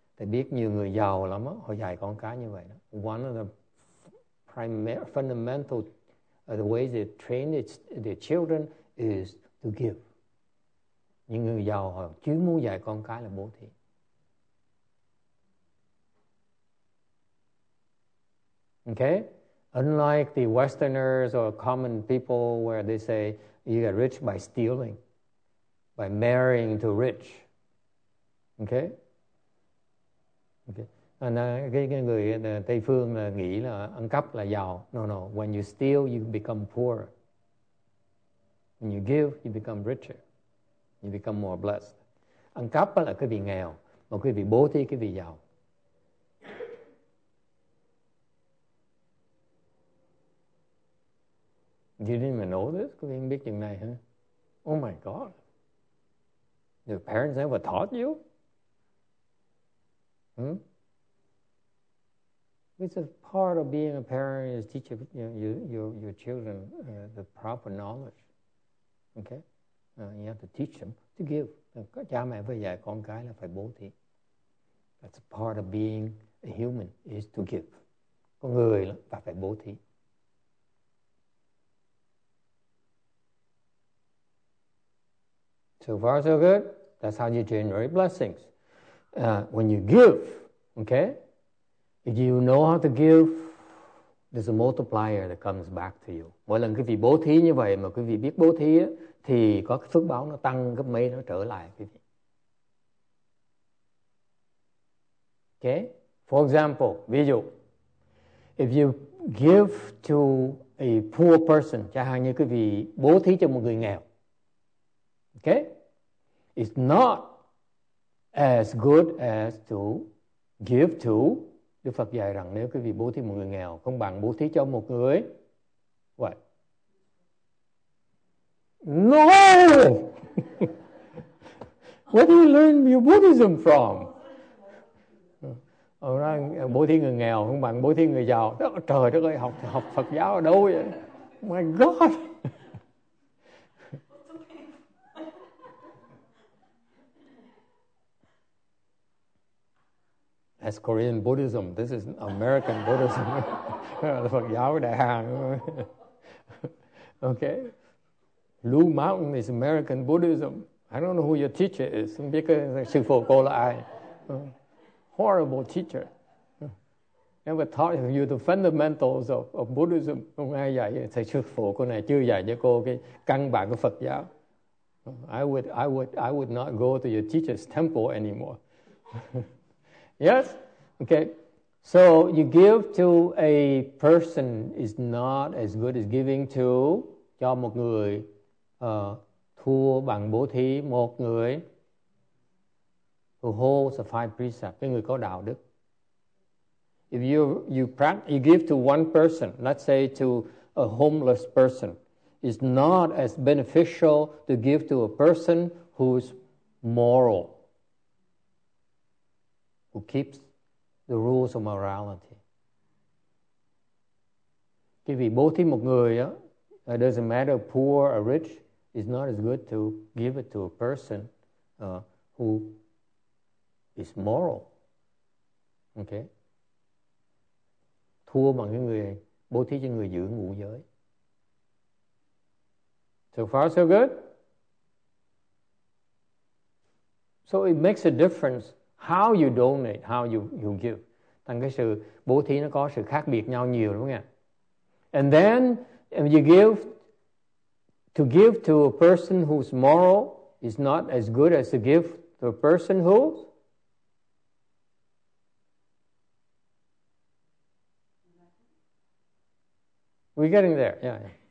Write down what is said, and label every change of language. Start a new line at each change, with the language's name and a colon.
Vietnamese: Thầy biết nhiều người giàu lắm đó, họ dạy con cái như vậy đó.
English: One of the fundamental the ways they train their children is to give.
Vietnamese: Những người giàu họ chỉ muốn dạy con cái là bố thí.
English: Okay? Unlike the Westerners or common people where they say you get rich by stealing, by marrying to rich. Okay? Okay.
Vietnamese: And cái người Tây phương là nghĩ là ăn cắp là giàu.
English: No, no. When you steal, you become poorer. When you give, you become richer. You become more blessed.
Vietnamese: Ăn cắp là cái vị nghèo, mà cái vị bố thí cái vị giàu.
English: You didn't even know this?
Vietnamese: Quý vị không biết chuyện này, hả?
English: Huh? Oh my God. Your parents never taught you? Hmm? It's a part of being a parent is teaching your children the proper knowledge. Okay? You have to teach them to give.
Vietnamese: Cha mẹ phải dạy con cái là phải bố thí.
English: That's a part of being a human is to give.
Vietnamese: Con người là phải bố thí.
English: So far so good. That's how you generate blessings. When you give, okay? If you know how to give, there's a multiplier that comes back to you.
Vietnamese: Mỗi lần quý vị bố thí như vậy mà quý vị biết bố thí á, thì có cái phước báo nó tăng gấp mấy nó trở lại quý vị.
English: Okay? For example,
Vietnamese: ví dụ,
English: if you give to a poor person,
Vietnamese: chẳng hạn như quý vị bố thí cho một người nghèo.
English: Okay? It's not as good as to give to.
Vietnamese: Đức Phật dạy rằng nếu quý vị bố thí một người nghèo không bằng bố thí cho một người.
English: What? No! Where do you learn your Buddhism from?
Vietnamese: Ông nói bố thí người nghèo không bằng bố thí người giàu. Trời đất ơi, học Phật giáo ở đâu vậy?
English: My God! That's Korean Buddhism. This is American Buddhism.
Vietnamese: Phật giáo Đại Hàn.
English: Okay. Blue Mountain is American Buddhism. I don't know who your teacher is.
Vietnamese: Không biết cái sư phụ cô là ai.
English: Horrible teacher. Never taught you the fundamentals of Buddhism.
Vietnamese: Không ai dạy. Thầy sư phụ cô này chưa dạy cho cô cái căn bản của Phật giáo.
English: I would not go to your teacher's temple anymore. Yes? Okay. So you give to a person is not as good as giving to
Vietnamese: cho một người thua bằng bố thí một người
English: who holds the five precepts,
Vietnamese: cái người có đạo đức.
English: If you give to one person, let's say to a homeless person, is not as beneficial to give to a person who's moral. Who keeps the rules of morality.
Vietnamese: Cái vị bố thí một người á,
English: it doesn't matter poor or rich, it's not as good to give it to a person who is moral. Okay?
Vietnamese: Thua bằng cái người bố thí cho người giữ ngũ giới.
English: So far so good? So it makes a difference. How you donate, how you give.
Vietnamese: Thành cái sự bố thí nó có sự khác biệt nhau nhiều đúng không ạ?
English: And then, if you give to a person who's moral, is not as good as to give to a person who we're getting there.